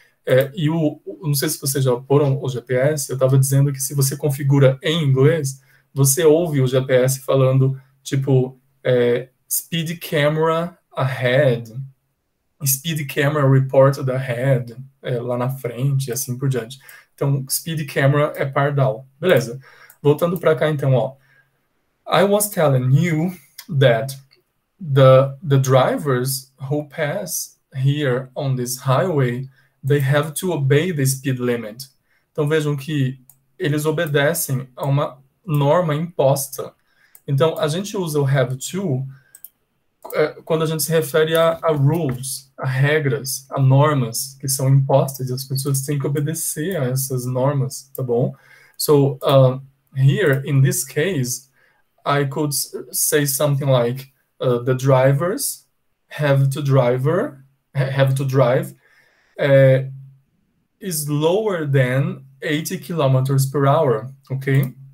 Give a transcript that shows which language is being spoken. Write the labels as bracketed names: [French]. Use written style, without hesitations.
[Portuguese] É, e não sei se vocês já foram o GPS, eu estava dizendo que se você configura em inglês, você ouve o GPS falando, tipo, [English] speed camera ahead, speed camera reported ahead, [Portuguese] lá na frente, e assim por diante. Então, speed camera é pardal. Beleza. Voltando para cá, então, ó. [English] I was telling you that the drivers who pass here on this highway, they have to obey the speed limit. [Portuguese] Então vejam que eles obedecem a uma norma imposta. Então a gente usa o have to quando a gente se refere a rules, a regras, a normas que são impostas e as pessoas têm que obedecer a essas normas, tá bom? [English] So, here in this case, I could say something like the drivers have to drive is lower than 80 kilometers per hour, ok?